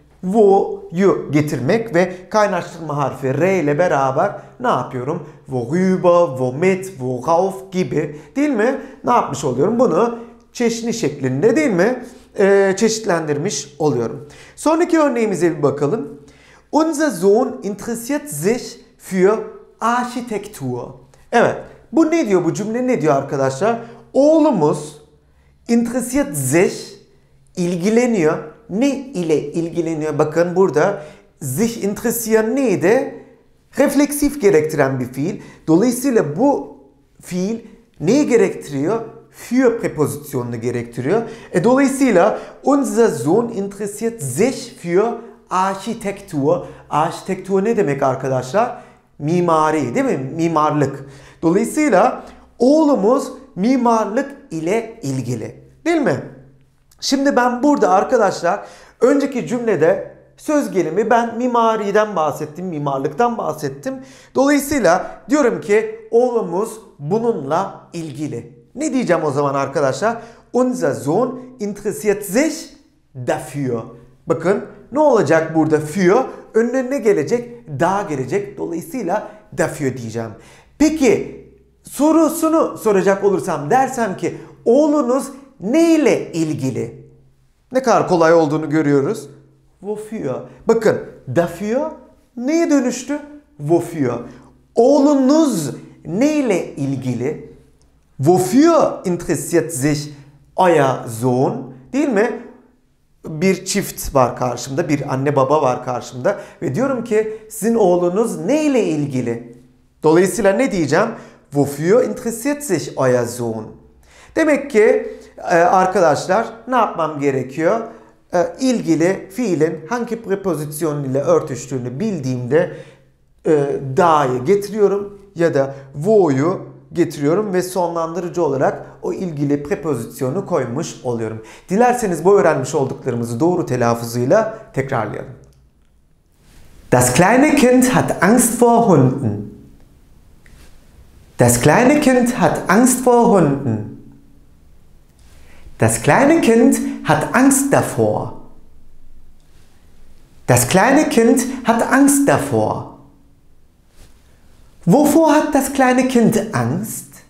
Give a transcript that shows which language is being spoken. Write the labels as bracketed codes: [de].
[tr] Wo'yu getirmek ve kaynaştırma harfi R ile beraber ne yapıyorum? [de] Worüber, womit, worauf [tr] gibi değil mi? Ne yapmış oluyorum? Bunu çeşitli şeklinde değil mi? Çeşitlendirmiş oluyorum. Sonraki örneğimize bir bakalım. [de] Unser Sohn interessiert sich für Architektur. [tr] Evet. Bu ne diyor? Bu cümle ne diyor arkadaşlar? Oğlumuz [de] interessiert sich [tr] ilgileniyor. Ne ile ilgileniyor? Bakın burada sich interessieren neydi? Refleksif gerektiren bir fiil. Dolayısıyla bu fiil neyi gerektiriyor? Für prepozisyonunu gerektiriyor. Dolayısıyla [de] unser Sohn interessiert sich für Architektur. [tr] Architektur ne demek arkadaşlar? Mimari değil mi? Mimarlık. Dolayısıyla oğlumuz mimarlık ile ilgili. Değil mi? Şimdi ben burada arkadaşlar önceki cümlede söz gelimi ben mimariden bahsettim, mimarlıktan bahsettim. Dolayısıyla diyorum ki oğlumuz bununla ilgili. Ne diyeceğim o zaman arkadaşlar? [de] Unser Sohn interessiert sich dafür. [tr] Bakın ne olacak burada für? Önüne ne gelecek? Daha gelecek. Dolayısıyla dafür diyeceğim. Peki sorusunu soracak olursam dersem ki oğlunuz neyle ilgili? Ne kadar kolay olduğunu görüyoruz. Wofür. Bakın dafür neye dönüştü? Wofür. Oğlunuz neyle ilgili? [de] Wofür interessiert sich euer Sohn? [tr] Değil mi? Bir çift var karşımda, bir anne baba var karşımda ve diyorum ki sizin oğlunuz neyle ilgili? Dolayısıyla ne diyeceğim? [de] Wofür interessiert sich euer Sohn? [tr] Demek ki arkadaşlar ne yapmam gerekiyor? İlgili fiilin hangi prepozisyon ile örtüştüğünü bildiğimde da'yı getiriyorum ya da wo'yu getiriyorum ve sonlandırıcı olarak o ilgili prepozisyonu koymuş oluyorum. Dilerseniz bu öğrenmiş olduklarımızı doğru telaffuzuyla tekrarlayalım. [de] Das kleine Kind hat Angst vor Hunden. Das kleine Kind hat Angst vor Hunden. Das kleine Kind hat Angst davor. Das kleine Kind hat Angst davor. Wovor hat das kleine Kind Angst?